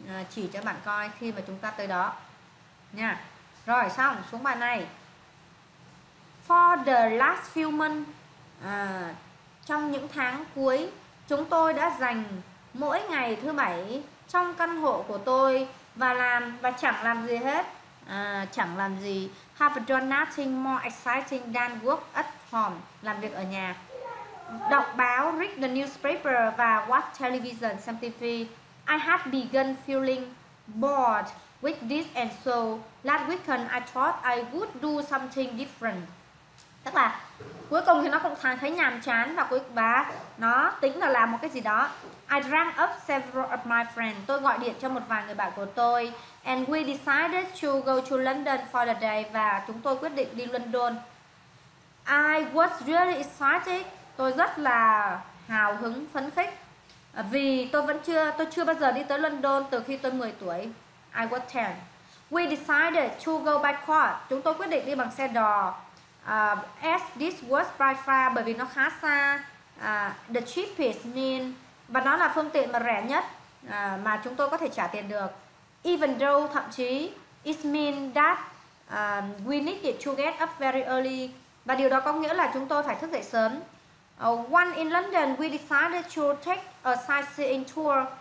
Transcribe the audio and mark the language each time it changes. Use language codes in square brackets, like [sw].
[vi] Chỉ cho bạn coi khi mà chúng ta tới đó. Nha. Rồi xong, xuống bài này. [en] For the last few months, [vi] trong những tháng cuối, chúng tôi đã dành mỗi ngày thứ bảy trong căn hộ của tôi và làm và chẳng làm gì hết. Chẳng làm gì. [en] Have done nothing more exciting than work at home. [vi] Làm việc ở nhà. Đọc báo, [en] read the newspaper [vi] và [en] watch television, [vi] xem TV. [en] I had begun feeling bored with this and so last weekend I thought I would do something different. [vi] Tức là cuối cùng thì nó cũng thấy nhàm chán và cuối cùng nó tính là làm một cái gì đó. [en] I rang up several of my friends. [vi] Tôi gọi điện cho một vài người bạn của tôi. [en] And we decided to go to London for the day. [vi] Và chúng tôi quyết định đi London. [en] I was really excited. [vi] Tôi rất là hào hứng, phấn khích. Vì tôi chưa bao giờ đi tới London từ khi tôi 10 tuổi. [en] I was 10. We decided to go by car. [vi] Chúng tôi quyết định đi bằng xe đò. [en] As this was by far, [vi] bởi vì nó khá xa. [en] The cheapest means, [vi] và nó là phương tiện mà rẻ nhất mà chúng tôi có thể trả tiền được. [en] Even though, [vi] thậm chí, [en] it means that we needed to get up very early. [vi] Và điều đó có nghĩa là chúng tôi phải thức dậy sớm. [en] Once in London, we decided to take a sightseeing tour.